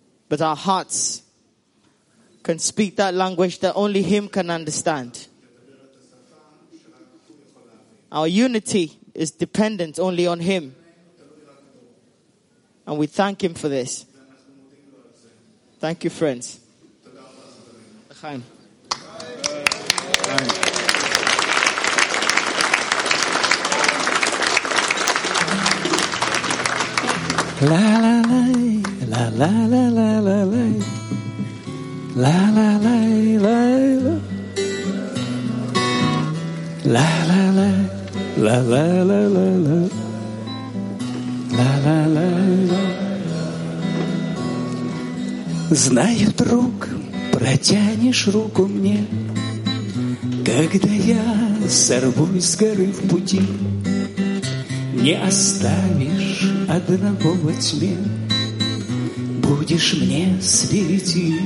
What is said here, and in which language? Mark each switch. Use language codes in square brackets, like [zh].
[en] But our hearts can speak that language that only Him can understand. Our unity is dependent only on Him. And we thank Him for this. Thank you, friends. La la la la la la la la la la la la la la la la la la la la la la la la la la. [ru] Знаю, друг, протянешь руку мне, когда я сорвусь с горы в пути, не оставишь одного во тьме, будешь мне светить.